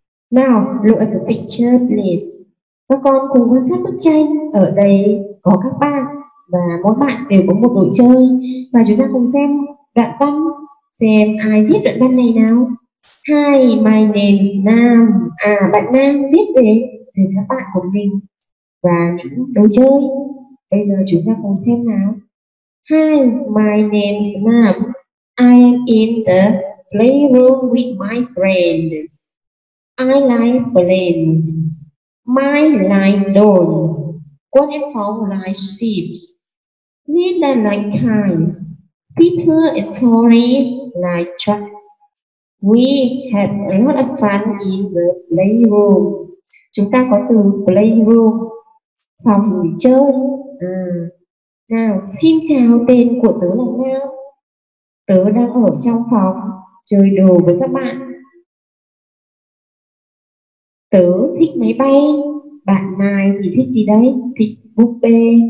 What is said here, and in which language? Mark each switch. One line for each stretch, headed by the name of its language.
English: Now, look at the picture, please.
Vietnamese: Các con cùng quan sát bức tranh. Ở đây có các bạn và mỗi bạn đều có một đồ chơi. Và chúng ta cùng xem đoạn văn. Xem ai viết đoạn văn này nào.
English: Hi, my name is Nam.
Vietnamese: À, bạn Nam viết về các bạn của mình và những đồ chơi. Bây giờ chúng ta cùng xem nào.
English: Hi, my name is Nam. I am in the playroom with my friends. I like balloons. My like drones. One and four like ships. Linda like kites. Peter and Tori like trucks. We had a lot of fun in the playroom.
Vietnamese: Chúng ta có từ playroom, phòng nghỉ chơi. Nào, xin chào, tên của tớ là nào? Tớ đang ở trong phòng chơi đồ với các bạn. Tớ thích máy bay. Bạn Mai thì thích gì đấy? Thích búp bê.